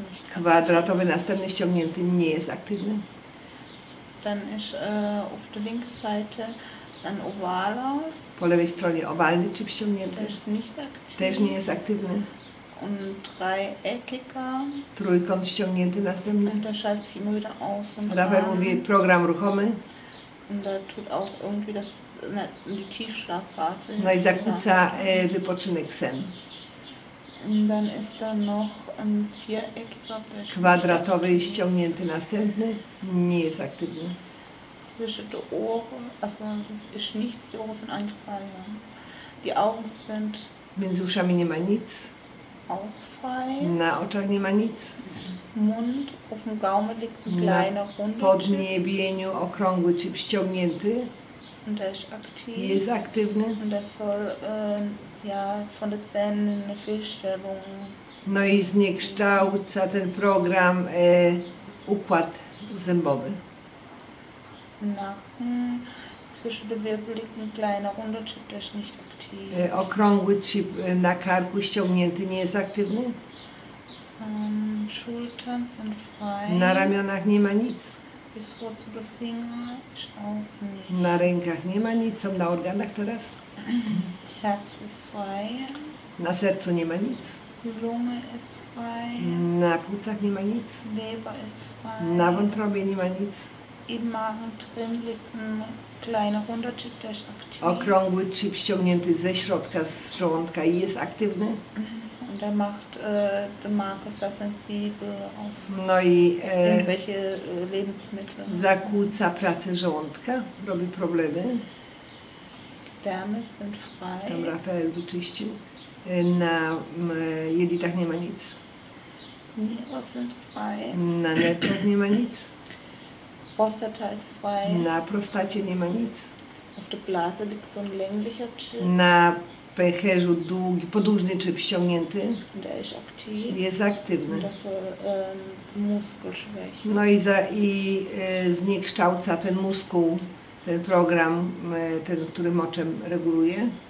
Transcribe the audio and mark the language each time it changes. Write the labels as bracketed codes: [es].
[pl] Kwadratowy następny ściągnięty nie jest aktywny. [de] Dann ist auf der linken Seite ein ovaler. [pl] Po lewej stronie owalny czy ściągnięty? Też [de] nicht [pl] aktywny. Też nie jest aktywny. [de] Und dreieckiger. [pl] Trójkąt ściągnięty następny. [de] Und da schaltet sich immer wieder aus. [pl] Rafael mówi program ruchomy. [de] Und da tut auch irgendwie das die Tiefschlafphase. [pl] No i zakłóca wypoczynek sen. [de] Dann ist da noch ein viereckiger. [pl] Kwadratowy ściągnięty następny nie jest aktywny. [de] Zwischen die Ohren, also ist nichts, die Ohren sind eingefallen. Die Augen sind. [pl] Między uszami nie ma nic. [de] Auch frei. [pl] Na oczach nie ma nic. [de] Mund auf dem Gaumen liegt ein kleiner runder. [pl] Podniebieniu okrągły czy ściągnięty. [de] Und er ist aktiv. [pl] Jest aktywny. [de] Und er soll ja von der Zähne eine Fehlstellung. [pl] No i zniekształca ten program układ zębowy. [de] Nacken. Zwischen den Wirbeln liegt ein kleiner runder Chip, der ist nicht aktiv. [pl] Okrągły chip na karku ściągnięty nie jest aktywny. [de] Schultern sind frei. [pl] Na ramionach nie ma nic. [de] Bis vor zu den Fingern ist auch nicht. [pl] Na rękach nie ma nic. Są na organach teraz? [de] Herz ist frei. [pl] Na sercu nie ma nic. [de] Lunge ist frei. [pl] Na płucach nie ma nic. [de] Leber ist frei. [pl] Na wątrobie nie ma nic. [de] Im Magen drin liegt ein kleiner runder Chip, der ist aktiv. [pl] Okrągły chip ściągnięty ze środka, z żołądka i jest aktywny. [de] Und er macht den Magen sehr sensibel auf [pl] no i, [de] irgendwelche Lebensmittel. [pl] Zakłóca pracę żołądka, robi problemy. [de] Dermy sind frei. [pl] Tam Rafael wyczyścił. Na jelitach nie ma nic. [de] Nierwy sind frei. [pl] Na nerkach nie ma nic. [de] Prostata ist frei. [pl] Na prostacie nie ma nic. [de] Auf der Blase liegt so ein länglicher Chip. [pl] Na pęcherzu długi, podłużny chip ściągnięty. [de] Der ist aktiv. [pl] Jest aktywny. [de] Das soll den Muskel schwächen. [pl] No i, za, i zniekształca ten muskuł, ten program, ten, który moczem reguluje.